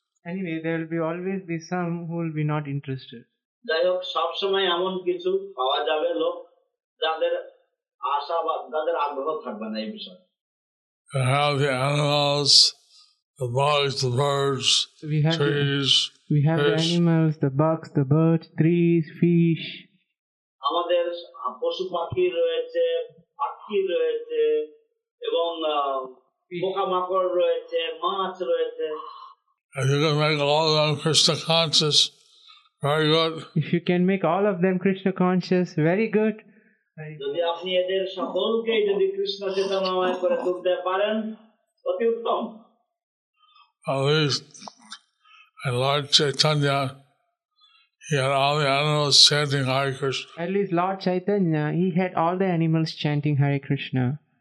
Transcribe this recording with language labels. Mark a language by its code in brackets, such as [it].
[en] Anyway, there will be always be some who will be not interested. [bn] যাই হোক, সবসময় এমন কিছু পাওয়া যাবে লোক যাদের আশা বা যাদের আগ্রহ থাকবে না এই বিষয়ে। [en] How the animals, the bugs, the birds, trees, we have fish. The animals, the bugs, the birds, trees, fish. [bn] আমাদের পশু পাখি রয়েছে, পাখি রয়েছে এবং পোকামাকড় রয়েছে, মাছ রয়েছে। [en] If you can make all of them Krishna conscious, very good. If you can make all of them Krishna conscious, very good. [bn] যদি আপনি এদের সকলকে যদি কৃষ্ণ চেতনাময় করে তুলতে পারেন অতি উত্তম। [en] at least in Lord Chaitanya, he had all the animals chanting Hare Krishna. At least Lord Chaitanya, he had all the animals chanting Hare Krishna.